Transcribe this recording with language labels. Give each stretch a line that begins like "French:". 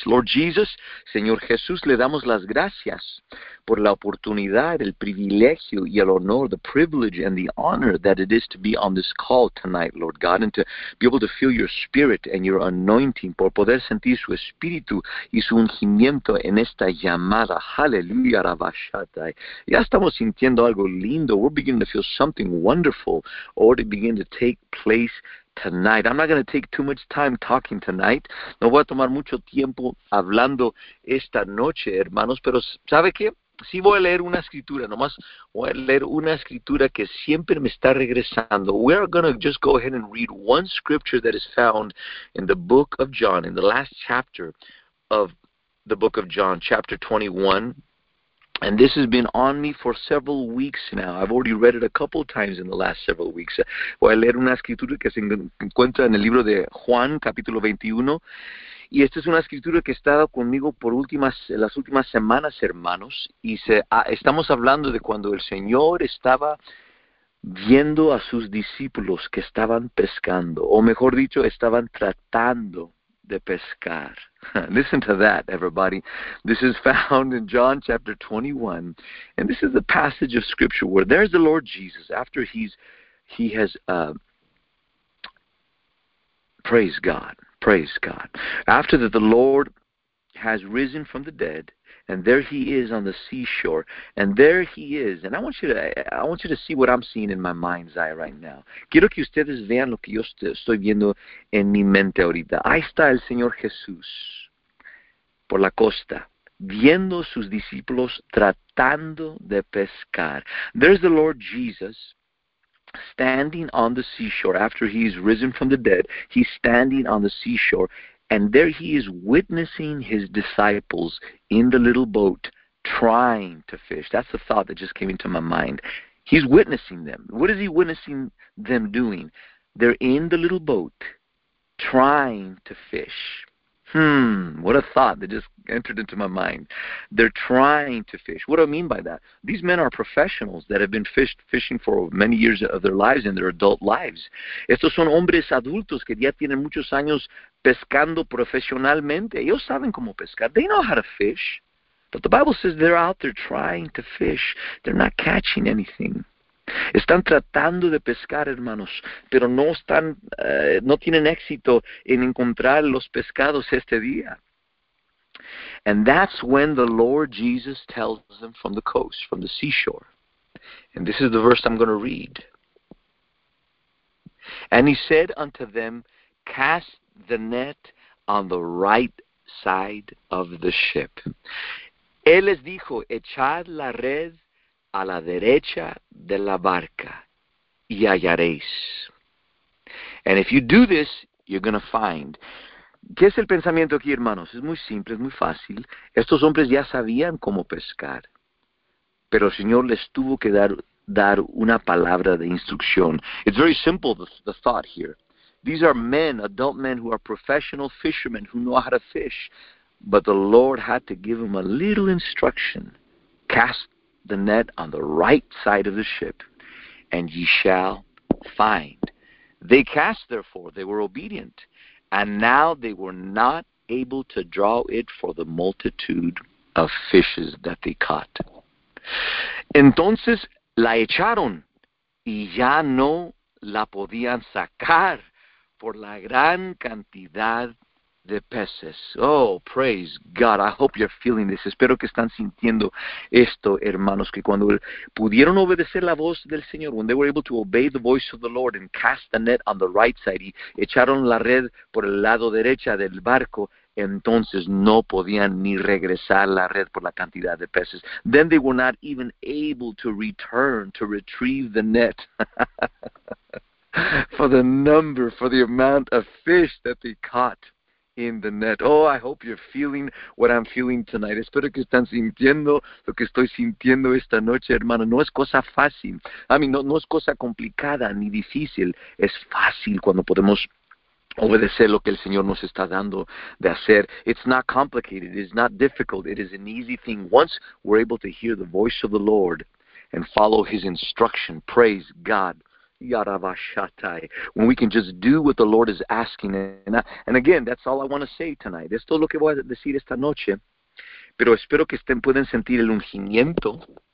English: Lord Jesus,
Spanish: Señor Jesús, le damos las gracias por la oportunidad, el privilegio y el honor,
English: the privilege and the honor that it is to be on this call tonight, Lord God, and to be able to feel your spirit and your anointing,
Spanish: por poder sentir su espíritu y su ungimiento en esta llamada. Hallelujah, Rabashatai. Ya estamos sintiendo algo lindo.
English: We're beginning to feel something wonderful already begin to take place tonight. I'm not going to take too much time talking tonight.
Spanish: No voy a tomar mucho tiempo hablando esta noche, hermanos, pero ¿sabe qué? Sí voy a leer una escritura, nomás voy a leer una escritura que siempre me está regresando.
English: We are going to just go ahead and read one scripture that is found in the book of John, in the last chapter of the book of John, chapter 21. And this has been on me for several weeks now. I've already read it a couple times in the last several weeks.
Spanish: Voy a leer una escritura que se encuentra en el libro de Juan, capítulo 21. Y esta es una escritura que ha estado conmigo por las últimas semanas, hermanos. Y estamos hablando de cuando el Señor estaba viendo a sus discípulos que estaban pescando, o mejor dicho, estaban tratando de pescar.
English: Listen to that, everybody. This is found in John chapter 21. And this is the passage of scripture where there's the Lord Jesus after he has, praise God. After that, the Lord has risen from the dead. And there he is on the seashore. And there he is. And I want you to see what I'm seeing in my mind's eye right now.
Spanish: Quiero que ustedes vean lo que yo estoy viendo en mi mente ahorita. Ahí está el Señor Jesús por la costa, viendo sus discípulos tratando de pescar.
English: There's the Lord Jesus standing on the seashore after he's risen from the dead. He's standing on the seashore. And there he is witnessing his disciples in the little boat trying to fish. That's the thought that just came into my mind. He's witnessing them. What is he witnessing them doing? They're in the little boat trying to fish. What a thought that just entered into my mind. They're trying to fish. What do I mean by that? These men are professionals that have been fishing for many years of their lives and their adult lives.
Spanish: Estos son hombres adultos que ya tienen muchos años pescando profesionalmente. Ellos saben cómo pescar.
English: They know how to fish. But the Bible says they're out there trying to fish. They're not catching anything.
Spanish: Están tratando de pescar, hermanos, pero no tienen éxito en encontrar los pescados este día.
English: And that's when the Lord Jesus tells them from the coast, from the seashore. And this is the verse I'm going to read. And he said unto them, cast the net on the right side of the ship.
Spanish: Él les dijo, echad la red a la derecha de la barca, y hallaréis.
English: And if you do this, you're going to find.
Spanish: ¿Qué es el pensamiento aquí, hermanos? Es muy simple, es muy fácil. Estos hombres ya sabían cómo pescar, pero el Señor les tuvo que dar una palabra de instrucción.
English: It's very simple, the thought here. These are men, adult men, who are professional fishermen, who know how to fish. But the Lord had to give them a little instruction. Cast the net on the right side of the ship, and ye shall find. They cast, therefore, they were obedient, and now they were not able to draw it for the multitude of fishes that they caught.
Spanish: Entonces la echaron, y ya no la podían sacar por la gran cantidad de peces.
English: Oh, praise God. I hope you're feeling this.
Spanish: Espero que están sintiendo esto, hermanos, que cuando pudieron obedecer la voz del Señor,
English: when they were able to obey the voice of the Lord and cast the net on the right side,
Spanish: y echaron la red por el lado derecha del barco, entonces no podían ni regresar la red por la cantidad de peces.
English: Then they were not even able to return to retrieve the net. for the amount of fish that they caught in the net. Oh, I hope you're feeling what I'm feeling tonight.
Spanish: Espero que están sintiendo lo que estoy sintiendo esta noche, hermano. No es cosa fácil.
English: I mean,
Spanish: no es cosa complicada ni difícil. Es fácil cuando podemos obedecer lo que el Señor nos está dando de hacer.
English: It's not complicated. It is not difficult. It is an easy thing. Once we're able to hear the voice of the Lord and follow His instruction, praise God. When we can just do what the Lord is asking. And again, that's all I want to say tonight.
Spanish: Esto es lo que voy a decir esta noche. Pero espero que estén puedan sentir el ungimiento.